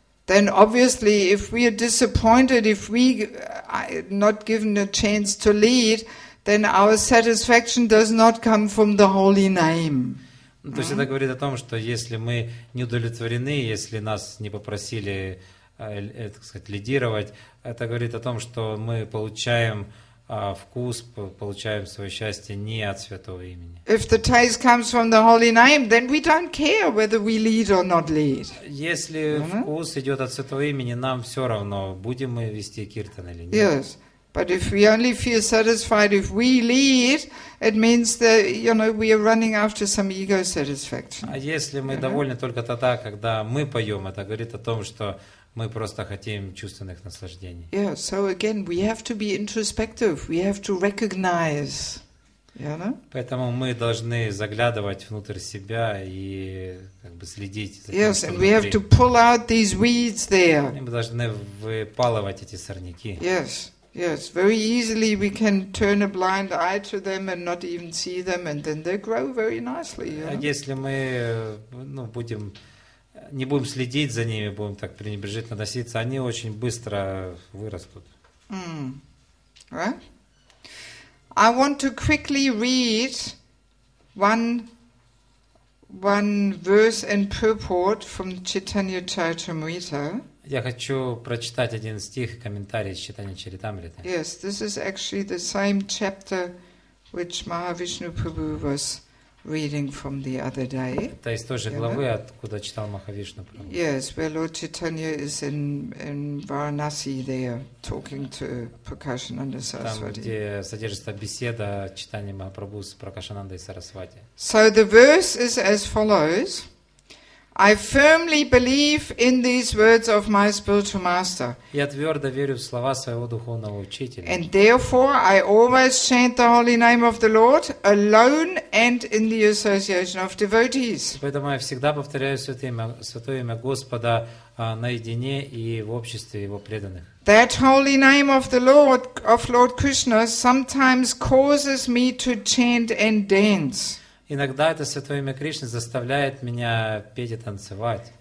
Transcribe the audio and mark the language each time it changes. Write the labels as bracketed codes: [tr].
[en] Then obviously if we are disappointed, if we are not given a chance to lead, then our satisfaction does not come from the holy name. [ru] То есть это говорит о том, что если мы не удовлетворены, если нас не попросили, так сказать, лидировать, это говорит о том, что мы получаем вкус, получаем свое счастье не от святого имени. [en] If the taste comes from the holy name, then we don't care whether we lead or not lead. [ru] Если вкус идет от святого имени, нам все равно, будем мы вести киртан или нет. [en] Yes. But if we only feel satisfied if we lead, it means that, you know, we are running after some ego satisfaction. [ru] А если мы довольны только тогда, когда мы поем, это говорит о том, что мы просто хотим чувственных наслаждений. [en] Yeah, so again, we have to be introspective. We have to recognize, you know? [ru] Поэтому мы должны заглядывать внутрь себя и как бы следить за тем, [en] yes, [ru] что [en] and we have to pull out these weeds there. [ru] И мы должны выпалывать эти сорняки. [en] Yes. Yes, very easily we can turn a blind eye to them and not even see them, and then they grow very nicely. [ru] А если мы, ну, будем не будем следить за ними, будем так пренебрежительно относиться, они очень быстро вырастут. [en] I want to quickly read one verse and purport from Chaitanya Charitamrita. [ru] Я хочу прочитать один стих и комментарий из Читания Чаритамриты. [en] Yes, this is actually the same chapter which Mahavishnu Prabhu was reading from the other day. [ru] Это из той же главы, откуда читал Махавишну Прабху. [en] Yes, where Lord Chaitanya is in Varanasi there talking to Prakashananda Sarasvati. [ru] Там, где содержится беседа Читания Махапрабху с Пракашанандой Сарасвати. [en] So the verse is as follows. I firmly believe in these words of my spiritual master. [ru] Я твердо верю в слова своего духовного учителя. [en] And therefore I always chant the holy name of the Lord alone and in the association of devotees. [ru] Поэтому я всегда повторяю святое имя Господа наедине и в обществе его преданных. [en] That holy name of Lord Krishna sometimes causes me to chant and dance. [ru] Иногда это святое имя Кришны заставляет меня петь и танцевать.